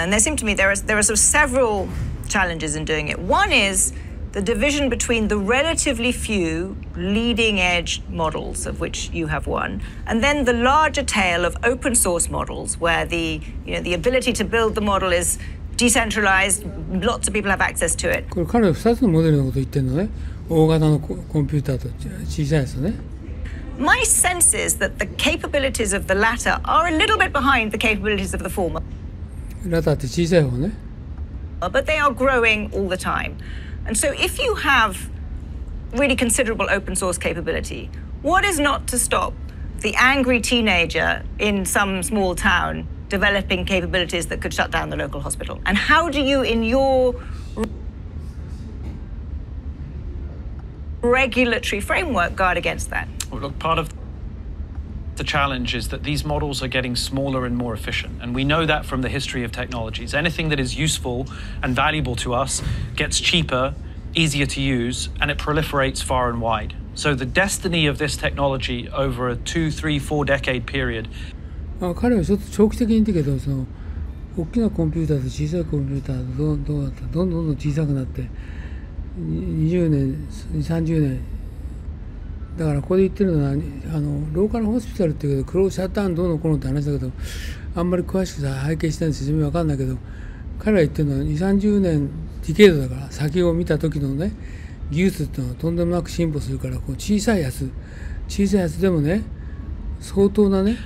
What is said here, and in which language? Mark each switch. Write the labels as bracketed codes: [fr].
[en] And there seem to me there are sort of several challenges in doing it. One is the division between the relatively few leading edge models, of which you have one, and then the larger tail of open source models, where the, you know, the ability to build the model isdecentralized, lots of people have access to it. [ja] これ彼は2つのモデルのこと言ってるのね。大型のコンピューターと小さいですよね。 [en] My sense is that the capabilities of the latter are a little bit behind the capabilities of the former. [ja] ラターって小さい方ね。 [en] But they are growing all the time. And so if you have really considerable open source capability, what is not to stop the angry teenager in some small towndeveloping capabilities that could shut down the local hospital? And how do you, in your regulatory framework, guard against that? Well, look, part of the challenge is that these models are getting smaller and more efficient. And we know that from the history of technologies. Anything that is useful and valuable to us gets cheaper, easier to use, and it proliferates far and wide. So the destiny of this technology over a 2-3-4 decade period. [ja] 彼はちょっと長期的に言ってけど、その大きなコンピューターと小さいコンピューターと どうだったどんどんどん小さくなって20年30年だから、ここで言ってるのはローカルホスピタルっていうけど、クローシャーターンどうのこうのって話だけど、あんまり詳しくさ背景してないの説明わかんないけど、彼が言ってるのは20-30年ディケードだから、先を見た時のね、技術っていうのはとんでもなく進歩するから、こう小さいやつでもね、相当なね、